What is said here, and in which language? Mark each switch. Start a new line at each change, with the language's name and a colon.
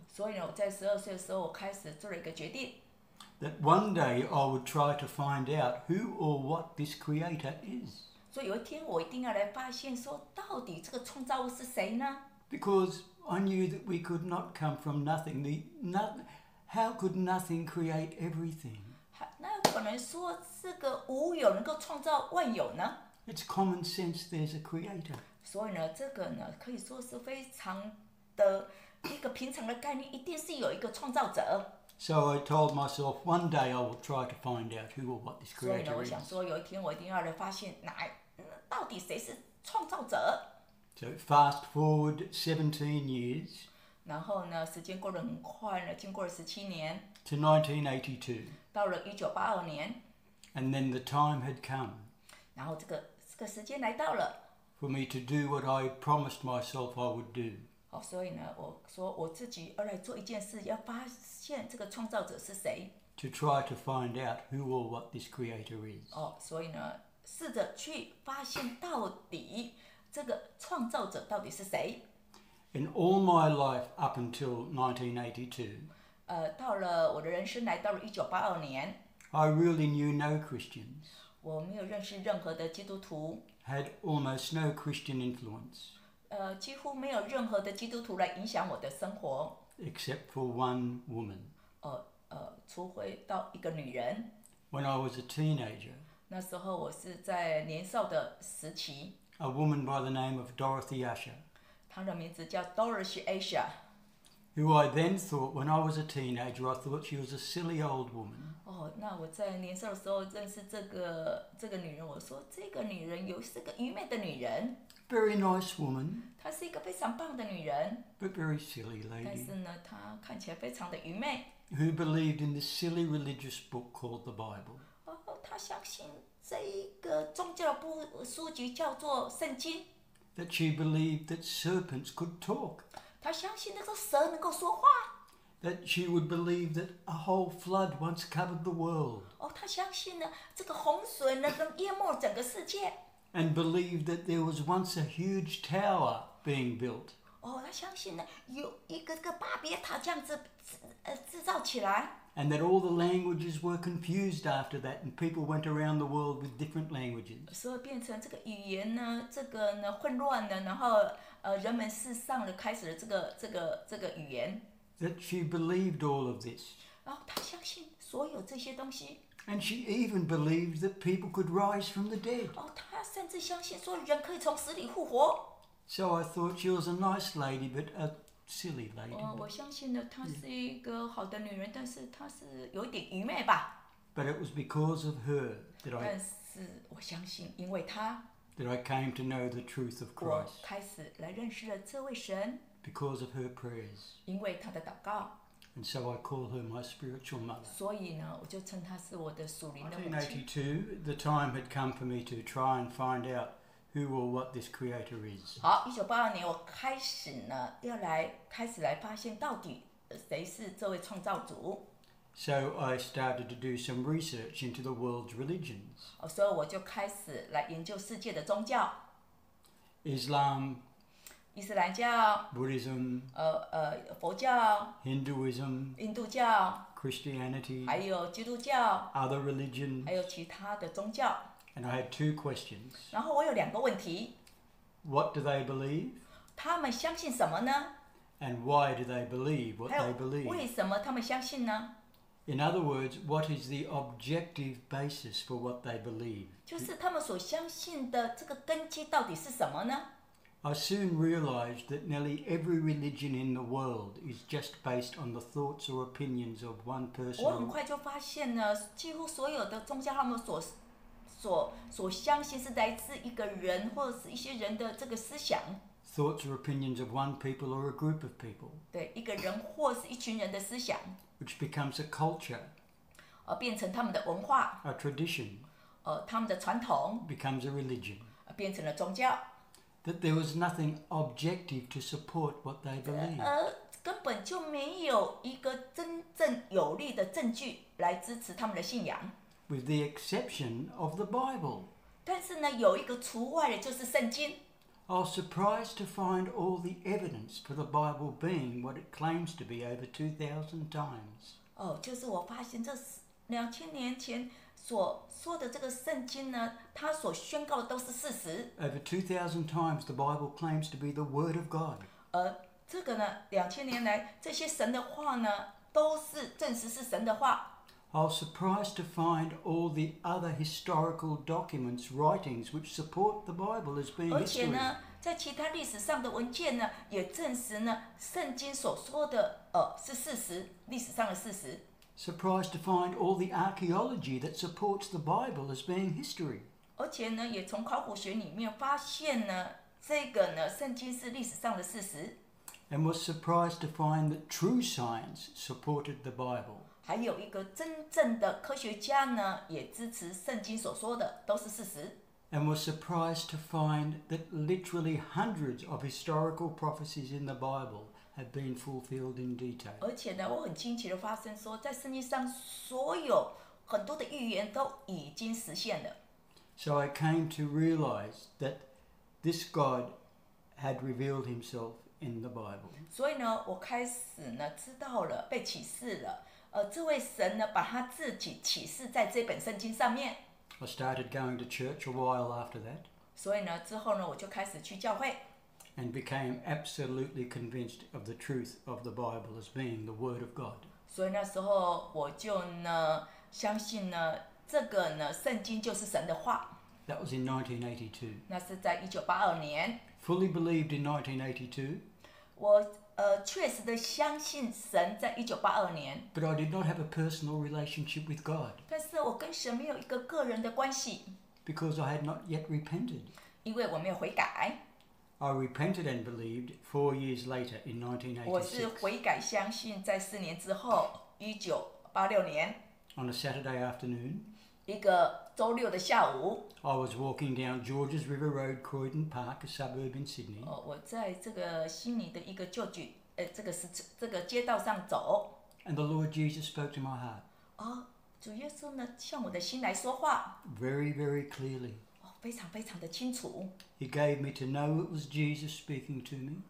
Chinese: 所以呢，我在十二岁的时候，我开始做了一个决定。
English: That one day I would try to find out who or what this creator is.
Chinese: 所以有一天我一定要来发现说到底这个创造物是谁呢？
English: Because I knew that we could not come from nothing. How could nothing create everything?
Chinese: 那可能说这个无有能够创造万有呢？
English: It's common sense there's a creator.
Chinese: 所以呢，这个呢可以说是非常的一个平常的概念，一定是有一个创造者。
English: So I told myself, one day I will try to find out who or what this creator is.
Chinese: 所以呢，我想说，有一天我一定要来发现哪，到底谁是创造者。
English: So fast forward 17 years.
Chinese: 然后呢，时间过得很快了，经过了17年。
English: To 1982.
Chinese: 到了1982年。
English: And then the time had come.
Chinese: 然后这个时间来到了。
English: for me to do what I promised myself I would do.
Chinese: 好，所以呢，我说我自己要来做一件事，要发现这个创造者是谁。
English: To try to find out who or what this creator is.
Chinese: 哦，所以呢，试着去发现到底这个创造者到底是谁。
English: In all my life up until 1982.
Chinese: 到了我的人生来到了1982年。
English: I really knew no Christians.
Chinese: 我没有认识任何的基督徒。
English: Had almost no Christian influence.
Chinese: 几乎没有任何的基督徒来影响我的生活。
English: Except for one woman.
Chinese: 除回到一个女人。
English: When I was a teenager.
Chinese: 那时候我是在年少的时期。
English: A woman by the name of Dorothy Asher.
Chinese: 她的名字叫 Dorothy Asher.
English: Who I then thought, when I was a teenager, I thought she was a silly old woman.
Chinese: 那我在年少的时候认识这个女人，我说这个女人又是个愚昧的女人。
English: Very nice woman.
Chinese: 她是一个非常棒的女人。
English: But very silly lady.
Chinese: 但是呢，她看起来非常的愚昧。
English: Who believed in this silly religious book called the Bible.
Chinese: 她相信这一个宗教部书籍叫做圣经。
English: That she believed that serpents could talk.
Chinese: 她相信那个蛇能够说话。
English: That she would believe that a whole flood once covered the world.
Chinese: 她相信呢，这个洪水呢，能淹没整个世界。
English: And believed that there was once a huge tower being built.
Chinese: 她相信呢，有一个个巴别塔这样子制造起来。
English: And that all the languages were confused after that, and people went around the world with different languages.
Chinese: 所以变成这个语言呢，这个呢混乱的，然后人们世上的开始了这个语言。
English: That she believed all of this.
Chinese: 然后她相信所有这些东西。
English: And she even believed that people could rise from the dead.
Chinese: 她甚至相信说人可以从死里复活。
English: So I thought she was a nice lady, but a silly lady.
Chinese: 我相信呢，她是一个好的女人，但是她是有点愚昧吧。
English: But it was because of her that I.
Chinese: 但是我相信，因为她。
English: That I came to know the truth of Christ.
Chinese: 我开始来认识了这位神。
English: Because of her prayers.
Chinese: 因为她的祷告。
English: And so I call her my spiritual mother.
Chinese: 所以呢，我就称她是我的属灵的母亲。
English: 1982, the time had come for me to try and find out who or what this creator is.
Chinese: 好，1982年，我开始呢，开始来发现到底谁是这位创造主。
English: So I started to do some research into the world's religions.
Chinese: 所以我就开始来研究世界的宗教。
English: Islam.
Chinese: 伊斯兰教
English: ，Buddhism，
Chinese: 佛教
English: ，Hinduism，
Chinese: 印度教
English: ，Christianity，
Chinese: 还有基督教
English: ，Other religions，
Chinese: 还有其他的宗教。
English: And I had two questions.
Chinese: 然后我有两个问题。
English: What do they believe？
Chinese: 他们相信什么呢
English: ？And why do they believe what they believe？
Chinese: 为什么他们相信呢
English: ？In other words, what is the objective basis for what they believe？
Chinese: 就是他们所相信的这个根基到底是什么呢？
English: I soon realized that nearly every religion in the world is just based on the thoughts or opinions of one person.
Chinese: 我很快就发现了，几乎所有的宗教他们所相信是来自一个人或者是一些人的这个思想。
English: Thoughts or opinions of one people or a group of people.
Chinese: 对，一个人或是一群人的思想。
English: Which becomes a culture.
Chinese: 变成他们的文化。
English: A tradition.
Chinese: 他们的传统。
English: Becomes a religion.
Chinese: 变成了宗教。
English: That there was nothing objective to support what they believed.
Chinese: 根本就没有一个真正有力的证据来支持他们的信仰。
English: With the exception of the Bible.
Chinese: 但是呢，有一个除外的就是圣经。
English: I was surprised to find all the evidence for the Bible being what it claims to be over 2,000 times.
Chinese: 就是我发现这2000年前所说的这个圣经呢，它所宣告的都是事实。
English: Over 2,000 times, the Bible claims to be the Word of God.
Chinese: 这个呢，2000年来这些神的话呢，都是证实是神的话。
English: I was surprised to find all the other historical documents, writings which support the Bible as being history.
Chinese: 而且呢，在其他历史上的文件呢，也证实呢，圣经所说的是事实，历史上的事实。
English: Surprised to find all the archaeology that supports the Bible as being history.
Chinese: 而且呢，也从考古学里面发现呢，这个呢，圣经是历史上的事实。
English: And was surprised to find that true science supported the Bible.
Chinese: 还有一个真正的科学家呢，也支持圣经所说的，都是事实。
English: and was surprised to find that literally hundreds of historical prophecies in the Bible have been fulfilled in detail.
Chinese: 而且呢，我很惊奇地发现说，在圣经上所有很多的预言都已经实现了。
English: So I came to realize that this God had revealed himself in the Bible.
Chinese: 所以呢，我开始呢知道了，被启示了，这位神呢把他自己启示在这本圣经上面。
English: I started going to church a while after that.
Chinese: 所以呢，之后呢，我就开始去教会。
English: And became absolutely convinced of the truth of the Bible as being the Word of God.
Chinese: 所以那时候我就呢相信呢这个呢圣经就是神的话。
English: That was in 1982.
Chinese: 那是在1982年。
English: Fully believed in 1982.
Chinese: 我确实的相信神在1982年。
English: But I did not have a personal relationship with God.
Chinese: 但是我跟神没有一个个人的关系。
English: Because I had not yet repented.
Chinese: 因为我没有悔改。
English: I repented and believed 4 years later in 1986.
Chinese: 我是悔改相信在四年之后1986年。
English: On a Saturday afternoon.
Chinese: 一个周六的下午。
English: I was walking down Georges River Road, Croydon Park, a suburb in Sydney.
Chinese: 我在这个悉尼的一个旧居，这个街道上走。
English: And the Lord Jesus spoke to my heart.
Chinese: 主耶稣呢，向我的心来说话。
English: Very, very clearly.
Chinese: 非常非常的清楚。
English: He gave me to know it was Jesus speaking to me.